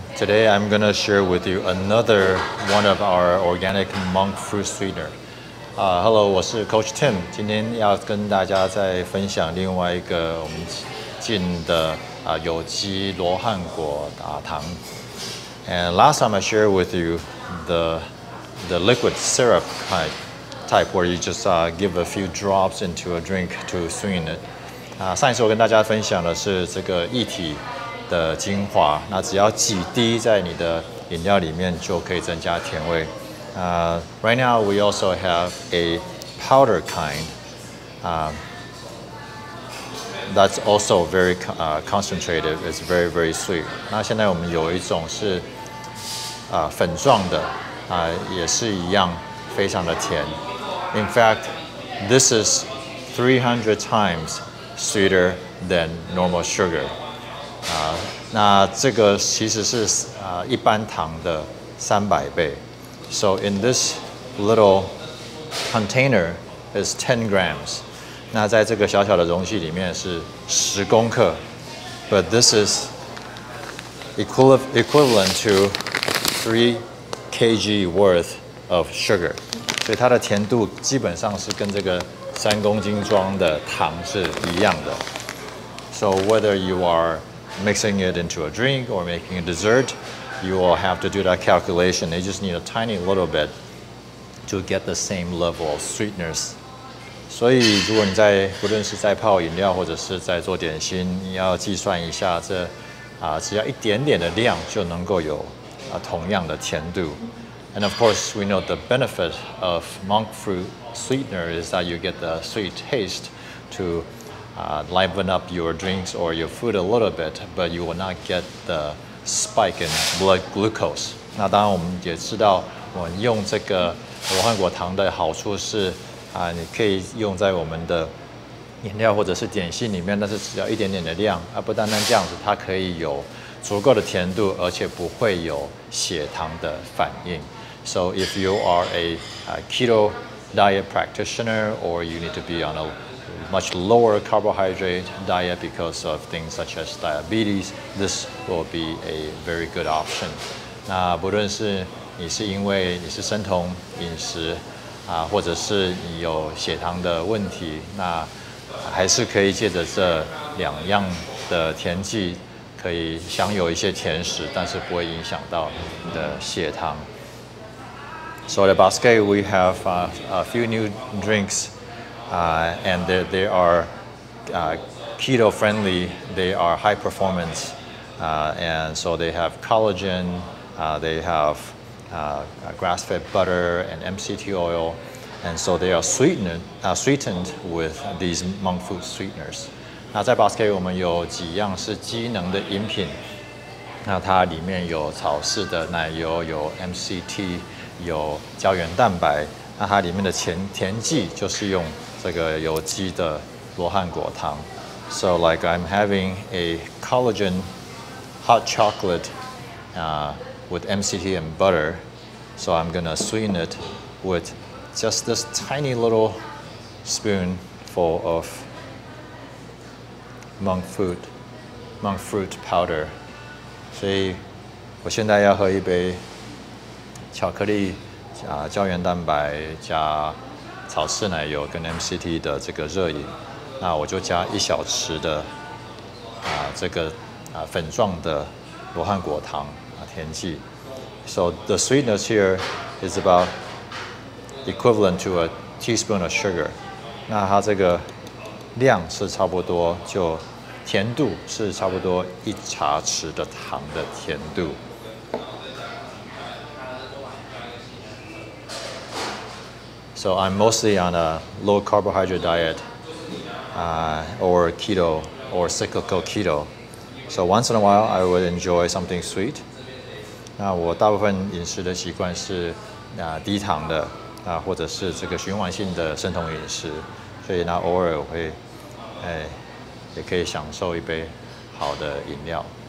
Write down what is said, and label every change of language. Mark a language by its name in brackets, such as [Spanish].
[English] Today I'm going to share with you another one of our organic monk fruit sweetener. [Chinese] Hello, 我是 Coach Tim. 今天要跟大家再分享另外一个我们进的有机罗汉果糖。 [English] And last time I shared with you the liquid syrup type where you just give a few drops into a drink to sweeten it. [Chinese] 上一次我跟大家分享的是这个液体的精华，那只要几滴在你的饮料里面就可以增加甜味。 [English] Right now we also have a powder kind that's also very concentrated. It's very very sweet. [Chinese] 那现在我们有一种是粉状的，也是一样非常的甜。 [English] In fact, this is 300 times sweeter than normal sugar. [Chinese] 那这个其实是一般糖的300倍。 [English] So in this little container is 10 grams. [Chinese] 那在这个小小的容器里面是10公克。 [English] But this is equivalent to 3 kg worth of sugar. [Chinese] 所以它的甜度基本上是跟这个3公斤装的糖是一样的。 [English] So whether you are mixing it into a drink or making a dessert, you will have to do that calculation. They just need a tiny little bit to get the same level of sweetness. [Chinese] 所以如果你在不论是在泡饮料或者是在做点心，你要计算一下这只要一点点的量就能够有同样的甜度。 [English] And of course, we know the benefit of monk fruit sweetener is that you get the sweet taste toliven up your drinks or your food a little bit, but you will not get the spike in blood glucose. [Chinese] 那当然我们也知道我们用这个罗汉果糖的好处是你可以用在我们的饮料或者是点心里面，但是只要一点点的量不单单这样子，它可以有足够的甜度，而且不会有血糖的反应。 [English] So if you are a keto diet practitioner or you need to be on a much lower carbohydrate diet because of things such as diabetes, this will be a very good option. [Chinese] 那不论是你是因为你是生酮饮食或者是你有血糖的问题，那还是可以借着这两样的甜剂可以享有一些甜食，但是不会影响到你的血糖。 [English] So at Basque we have a few new drinksand they are keto friendly, they are high performance, and so they have collagen, they have grass-fed butter and MCT oil, and so they are sweetened with these monk fruit sweeteners. [Chinese] 那在 Basque 我们有几样是机能的饮品，那它里面有草饲的奶油，有 MCT, 有胶原蛋白，那它里面的甜剂就是用这个有机的罗汉果糖。 [English] So like I'm having a collagen hot chocolate with MCT and butter. So I'm gonna sweeten it with just this tiny little spoonful of monk fruit powder. [Chinese] 所以我现在要喝一杯巧克力胶原蛋白加草饲奶油跟 MCT 的这个热饮，那我就加一小匙的这个粉状的罗汉果糖甜剂。 [English] So the sweetness here is about equivalent to a teaspoon of sugar. [Chinese] 那它这个量是差不多，就甜度是差不多一茶匙的糖的甜度。 [English] So I'm mostly on a low carbohydrate diet, or keto, or cyclical keto. So once in a while, I would enjoy something sweet. [Chinese] 那我大部分饮食的习惯是低糖的或者是这个循环性的生酮饮食，所以呢，偶尔我会也可以享受一杯好的饮料。